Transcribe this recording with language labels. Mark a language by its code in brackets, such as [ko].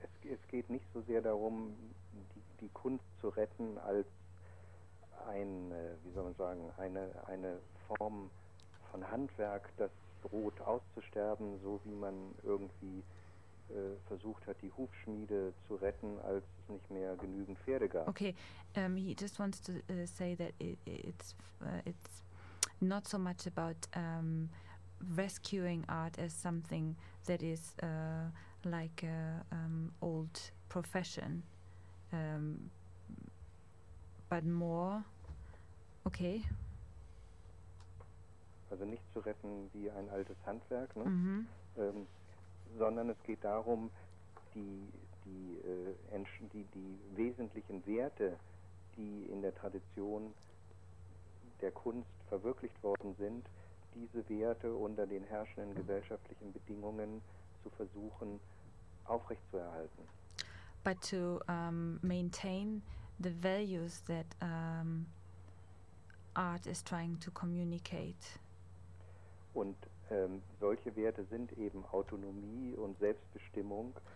[de] Es geht nicht so sehr darum, die Kunst zu retten als eine Form von Handwerk, das droht auszusterben, so wie man irgendwie versucht hat, die Hufschmiede zu retten, als es nicht mehr genügend Pferde gab. [en] Okay, he just wants to say that it's not so much about rescuing art as something that is like an old profession, but more. Okay. [de] Also nicht zu retten wie ein altes Handwerk, ne? Mhm. Sondern es geht darum, die wesentlichen Werte, die in der Tradition der Kunst verwirklicht worden sind, diese Werte unter den herrschenden gesellschaftlichen Bedingungen zu versuchen, aufrechtzuerhalten. [en] But to maintain the values that art is trying to communicate. [de] Und solche Werte sind eben Autonomie und Selbstbestimmung.